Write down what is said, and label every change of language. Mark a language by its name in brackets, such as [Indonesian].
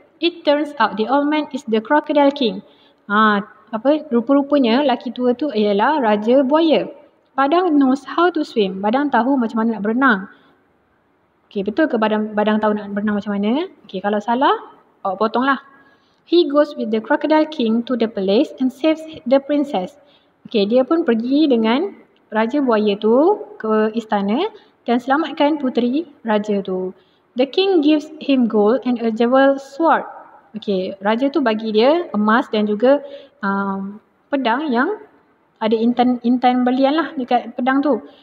[English] It turns out the old man is the crocodile king. [Malay] Rupa-rupanya lelaki tua tu ialah raja buaya. [English] Badang knows how to swim. [Malay] Badang tahu macam mana nak berenang. Okay, betul ke Badang tahu nak berenang macam mana? Okay, kalau salah, awak potonglah. [English] He goes with the crocodile king to the palace and saves the princess. [Malay] Okay, dia pun pergi dengan raja buaya tu ke istana dan selamatkan puteri raja tu. [English] The king gives him gold and a jeweled sword. [Malay] Okay, raja tu bagi dia emas dan juga pedang yang ada intan berlian lah dekat pedang tu.